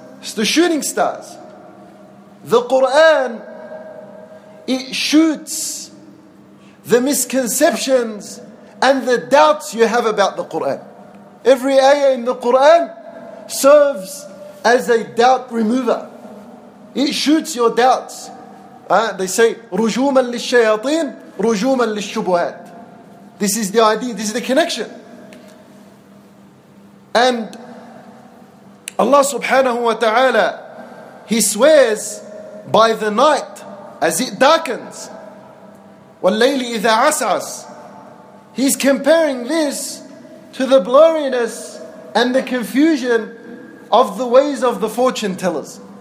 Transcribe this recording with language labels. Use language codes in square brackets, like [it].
[en] It's the shooting stars. The Quran, it shoots the misconceptions and the doubts you have about the Quran. Every ayah in the Quran serves as a doubt remover. It shoots your doubts. They say, [ar] رُجُومًا لِلشَّيَاطِينَ رُجُومًا لِلشُّبُهَاتِ. [en] This is the idea, this is the connection. And Allah subhanahu wa ta'ala, He swears by the night as it darkens. [ar] وَاللَّيْلِ إِذَا عَسْعَسْ. [en] He's comparing this to the blurriness and the confusion of the ways of the fortune tellers.